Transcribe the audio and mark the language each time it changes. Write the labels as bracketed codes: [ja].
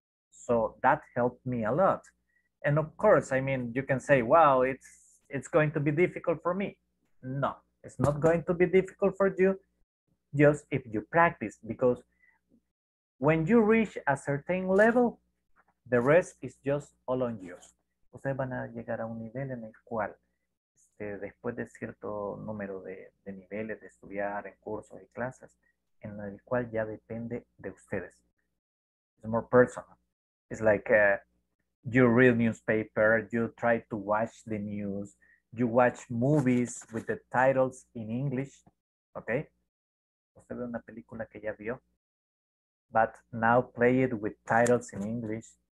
[en] So that helped me a lot. And of course, I mean, you can say, well, it's going to be difficult for me. No, it's not going to be difficult for you, just if you practice, because when you reach a certain level, the rest is just all on you. [es] Ustedes van a llegar a un nivel en el cual, después de cierto número de niveles de estudiar en cursos y clases, en el cual ya depende de ustedes. [en] It's more personal. It's like you read newspaper, you try to watch the news, you watch movies with the titles in English, okay? [es] Usted ve una película que ya vio, [en] but now play it with titles in English.